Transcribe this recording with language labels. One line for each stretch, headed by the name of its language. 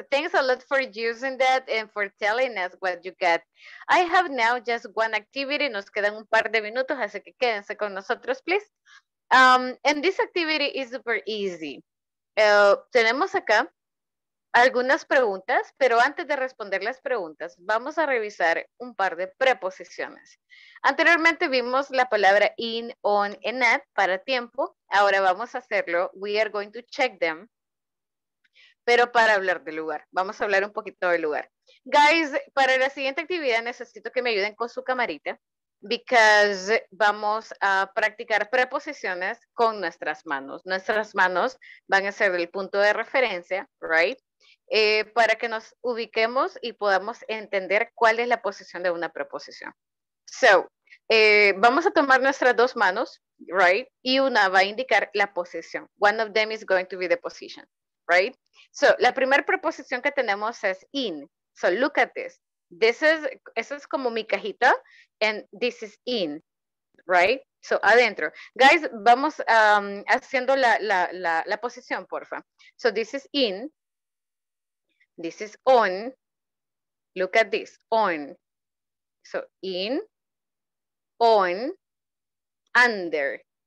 English: Thanks a lot for using that and for telling us what you get. I have now just one activity.
Spanish: Nos quedan un par de minutos, así que quédense con nosotros, please.
English: And this activity is super easy.
Spanish: Tenemos acá algunas preguntas, pero antes de responder las preguntas, vamos a revisar un par de preposiciones. Anteriormente vimos la palabra in, on, and at para tiempo. Ahora vamos a hacerlo.
English: We are going to check them,
Spanish: pero para hablar del lugar. Vamos a hablar un poquito del lugar. Guys, para la siguiente actividad necesito que me ayuden con su camarita
English: because
Spanish: vamos a practicar preposiciones con nuestras manos. Nuestras manos van a ser el punto de referencia, right? Para que nos ubiquemos y podamos entender cuál es la posición de una preposición. So, vamos a tomar nuestras dos manos, right? Y una va a indicar la posición.
English: One of them is going to be the position, right?
Spanish: So, la primera preposición que tenemos es in.
English: So, look at this. This is
Spanish: como mi cajita,
English: and this is in, right? So,
Spanish: adentro.
English: Guys,
Spanish: vamos haciendo la posición, porfa.
English: So, this is in. This is on, Look at this, on. So in, on, under.